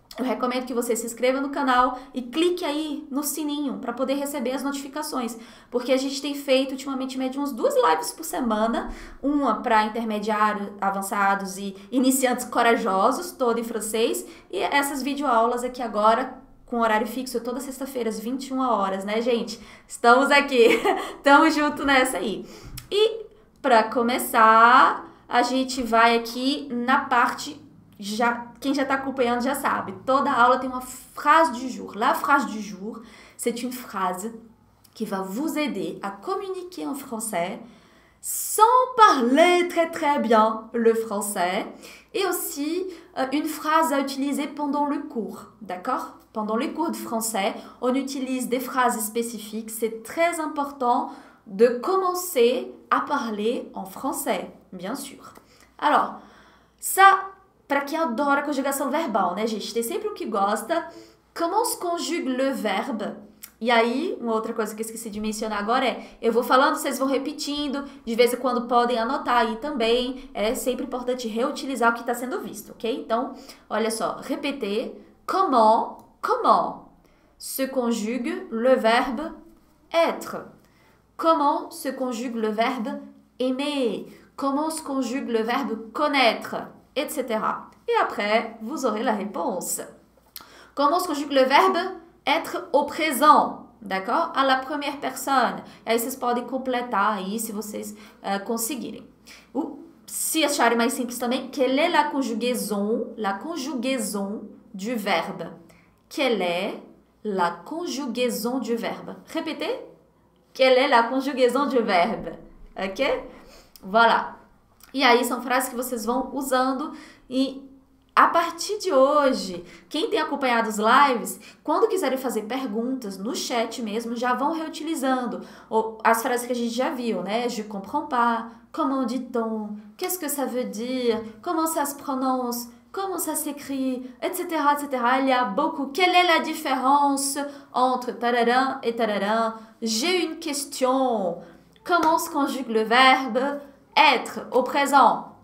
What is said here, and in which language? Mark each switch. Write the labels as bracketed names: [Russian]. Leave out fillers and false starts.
[Portuguese] Eu recomendo que você se inscreva no canal e clique aí no sininho para poder receber as notificações, porque a gente tem feito ultimamente média umas duas lives por semana, uma para intermediários avançados e iniciantes corajosos, todo em francês, e essas videoaulas aqui agora com horário fixo, toda sexta-feira às 21 horas, né, gente? Estamos aqui. Estamos junto nessa aí. E para começar, a gente vai aqui na parte já quem já está acompanhando já sabe. Toda aula tem uma frase du jour. [French] La phrase du jour, c'est une phrase qui va vous aider à communiquer en français sans parler très très bien le français et aussi une phrase à utiliser pendant le cours, d'accord? Pendant les cours de français, on utilise des phrases spécifiques. C'est très important de commencer à parler en français, bien sûr. Alors, ça, pour qui adore conjugaison verbale, [Portuguese] né, gente? Tem sempre o que gosta. [French] Comment se conjugue le verbe? [Portuguese] E aí, uma outra coisa que eu esqueci de mencionar agora é: eu vou falando, vocês vão repetindo, de vez em quando podem anotar aí também. É sempre importante reutilizar o que está sendo visto, ok? Então, olha só: repetir. [French] Comment se conjugue le verbe être? Comment se conjugue le verbe aimer? Comment se conjugue le verbe connaître? Etc. Et après, vous aurez la réponse. Comment se conjugue le verbe être au présent? D'accord? À la première personne. [Portuguese] Et aí, vocês podem completar aí se vocês conseguirem. Se acharem mais simples também, [French] quelle est la conjugaison du verbe? Quelle est la conjugaison du verbe? Répétez. Quelle est la conjugaison du verbe? Ok? [Portuguese] Voilà. E aí, são frases que vocês vão usando e A partir de hoje, quem tem acompanhado os lives, quando quiserem fazer perguntas no chat mesmo, já vão reutilizando as frases que a gente já viu, né? [French] Je comprends pas, comment dit-on, qu'est-ce que ça veut dire, comment ça se prononce, comment ça s'écrit, etc., etc. Il y a beaucoup. Quelle est la différence entre tararan et tararan? J'ai une question. Comment se conjugue le verbe être au présent?